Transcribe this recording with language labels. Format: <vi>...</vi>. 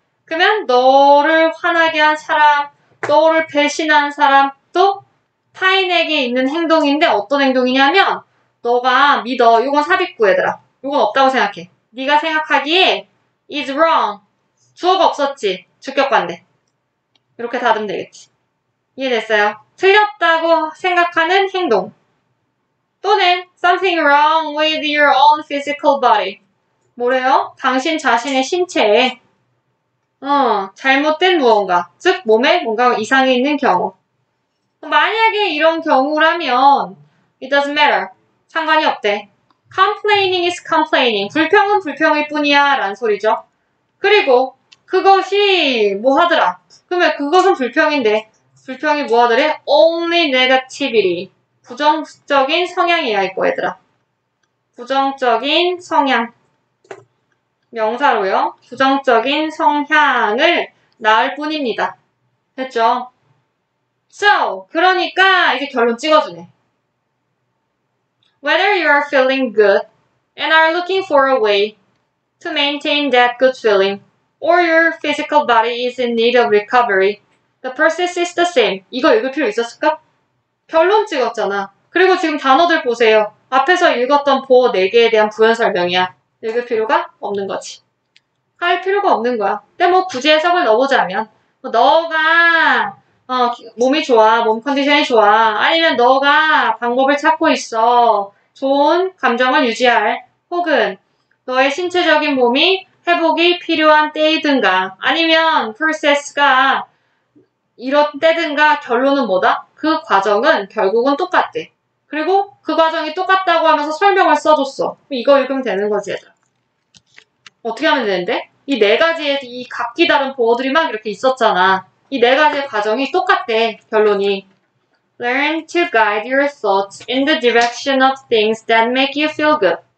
<ko>그러면 너를 화나게 한 사람 너를 배신한 사람 또 타인에게 있는 행동인데 어떤 행동이냐면 너가 믿어 이건 삽입구 얘들아 이건 없다고 생각해 네가 생각하기에</ko> <en>is wrong</en> <ko>주어가 없었지 주격관대 이렇게 닫으면 되겠지 이해됐어요? 틀렸다고 생각하는 행동. 또는</ko> <en>something wrong with your own physical body.</en> <ko>뭐래요? 당신 자신의 신체에 잘못된 무언가, 즉 몸에 뭔가 이상이 있는 경우. 만약에 이런 경우라면</ko> <en>it doesn't matter.</en> <ko>상관이 없대.</ko> <en>complaining is complaining.</en> <ko>불평은 불평일 뿐이야. 라는 소리죠. 그리고 그것이 뭐 하더라? 그러면 그것은 불평인데. 불평이 뭐하더래?</ko> <en>Only negativity.</en> <ko>부정적인 성향이 아닐 거, 얘들아. 부정적인 성향. 명사로요. 부정적인 성향을 낳을 뿐입니다. 됐죠?</ko> <en>So,</en> <ko>그러니까 이제 결론 찍어주네.</ko> <en>Whether you are feeling good and are looking for a way to maintain that good feeling or your physical body is in need of recovery, The process is the same.</en> <ko>이거 읽을 필요 있었을까? 결론 찍었잖아. 그리고 지금 단어들 보세요. 앞에서 읽었던 보어 4개에 대한 부연 설명이야. 읽을 필요가 없는 거지. 할 필요가 없는 거야. 근데 뭐 굳이 해석을 넣어보자면, 너가, 몸이 좋아, 몸 컨디션이 좋아, 아니면 너가 방법을 찾고 있어. 좋은 감정을 유지할, 혹은 너의 신체적인 몸이 회복이 필요한 때이든가, 아니면 프로세스가 이런 때든가 결론은 뭐다? 그 과정은 결국은 똑같대. 그리고 그 과정이 똑같다고 하면서 설명을 써줬어. 이거 읽으면 되는 거지, 얘들아. 어떻게 하면 되는데? 이네 가지의 이 각기 다른 보어들이 막 이렇게 있었잖아. 이네 가지의 과정이 똑같대, 결론이.</ko> <en>Learn to guide your thoughts in the direction of things that make you feel good.</en>